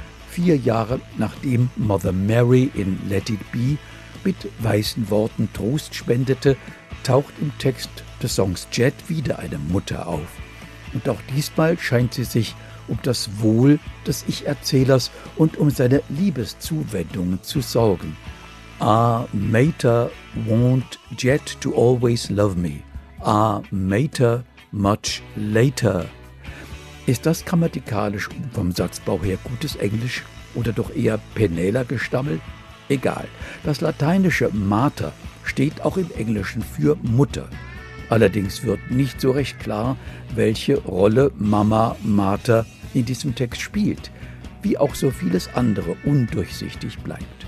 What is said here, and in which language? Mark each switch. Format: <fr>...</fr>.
<de>4 Jahre nachdem Mother Mary in Let It Be mit weisen Worten Trost spendete, taucht im Text des Songs Jet wieder eine Mutter auf. Und auch diesmal scheint sie sich um das Wohl des Ich-Erzählers und um seine Liebeszuwendungen zu sorgen.</de> <en>Ah, Mater, won't Jet to always love me? Ah, Mater, much later.</en> <de>Ist das grammatikalisch vom Satzbau her gutes Englisch oder doch eher Penela-Gestammel? Egal, das lateinische Mater steht auch im Englischen für Mutter. Allerdings wird nicht so recht klar, welche Rolle Mama Mater in diesem Text spielt, wie auch so vieles andere undurchsichtig bleibt.</de>